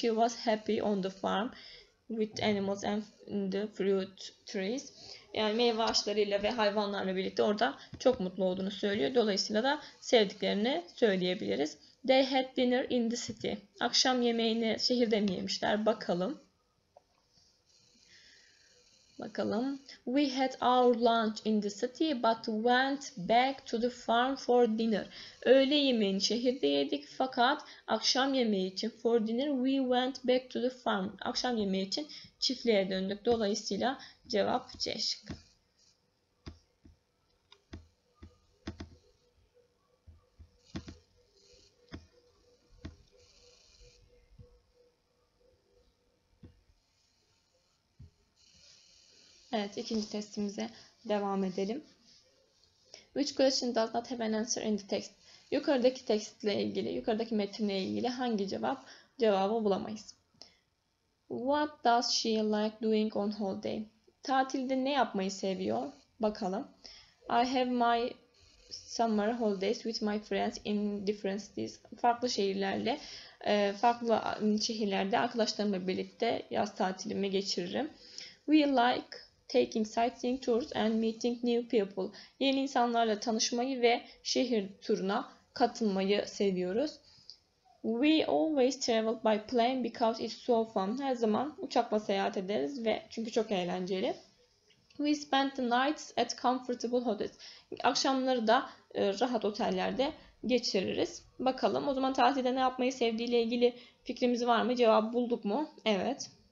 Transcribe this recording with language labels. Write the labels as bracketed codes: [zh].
[en] She was happy on the farm with animals and the fruit trees. [tr] Yani meyve ağaçlarıyla ve hayvanlarla birlikte orada çok mutlu olduğunu söylüyor. Dolayısıyla da sevdiklerini söyleyebiliriz. [en] They had dinner in the city. [tr] Akşam yemeğini şehirde mi yemişler? Bakalım. Bakalım. [en] We had our lunch in the city but went back to the farm for dinner. [tr] Öğle yemeğini şehirde yedik fakat akşam yemeği için [en] for dinner we went back to the farm. [tr] Akşam yemeği için çiftliğe döndük. Dolayısıyla cevap C şıkkı. Evet, ikinci testimize devam edelim. [en] Which question does not have an answer in the text? [tr] Yukarıdaki tekstle ilgili, yukarıdaki metinle ilgili hangi cevabı bulamayız? [en] What does she like doing on holiday? [tr] Tatilde ne yapmayı seviyor? Bakalım. [en] I have my summer holidays with my friends in different cities. [tr] Farklı şehirlerde arkadaşlarımla birlikte yaz tatilimi geçiririm. [en] We like taking sightseeing tours and meeting new people. [tr] Yeni insanlarla tanışmayı ve şehir turuna katılmayı seviyoruz. [en] We always travel by plane because it's so fun. [tr] Her zaman uçakla seyahat ederiz ve çünkü çok eğlenceli. [en] We spend the nights at comfortable hotels. [tr] Akşamları da rahat otellerde geçiririz. Bakalım o zaman tatilde ne yapmayı sevdiğiyle ilgili Fikrimiz var mı? Cevabı bulduk mu? Evet.